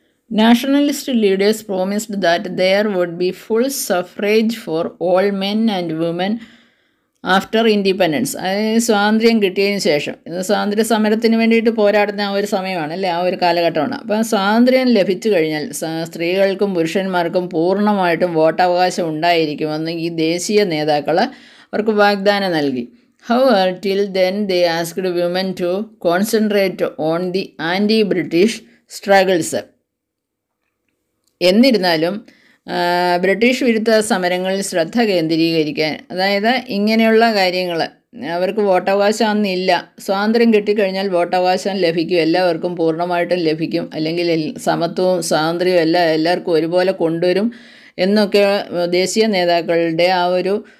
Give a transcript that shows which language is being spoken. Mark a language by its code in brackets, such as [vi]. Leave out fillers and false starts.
[en] Nationalist leaders promised that there would be full suffrage for all men and women after independence. [ml] അതായത് സ്വാതന്ത്ര്യം കിട്ടിയതിന് ശേഷം, ഇന്ന് സ്വാതന്ത്ര്യ സമരത്തിന് വേണ്ടിയിട്ട് പോരാടുന്ന ആ ഒരു സമയമാണ് അല്ലേ, ആ ഒരു കാലഘട്ടമാണ്. അപ്പം സ്വാതന്ത്ര്യം ലഭിച്ചു കഴിഞ്ഞാൽ സ്ത്രീകൾക്കും പുരുഷന്മാർക്കും പൂർണ്ണമായിട്ടും വോട്ടവകാശം ഉണ്ടായിരിക്കുമെന്ന് ഈ ദേശീയ നേതാക്കൾ അവർക്ക് വാഗ്ദാനം നൽകി. [en] However, till then they asked women to concentrate on the anti-British struggles. [ml] എന്നിരുന്നാലും ബ്രിട്ടീഷ് വിരുദ്ധ സമരങ്ങളിൽ ശ്രദ്ധ കേന്ദ്രീകരിക്കാൻ, അതായത് ഇങ്ങനെയുള്ള കാര്യങ്ങൾ, അവർക്ക് വോട്ടവകാശം അന്നില്ല, സ്വാതന്ത്ര്യം കിട്ടിക്കഴിഞ്ഞാൽ വോട്ടവകാശം ലഭിക്കും, എല്ലാവർക്കും പൂർണ്ണമായിട്ടും ലഭിക്കും, അല്ലെങ്കിൽ സമത്വവും സ്വാതന്ത്ര്യവും എല്ലാം എല്ലാവർക്കും ഒരുപോലെ കൊണ്ടുവരും എന്നൊക്കെ ദേശീയ നേതാക്കളുടെ ആ ഒരു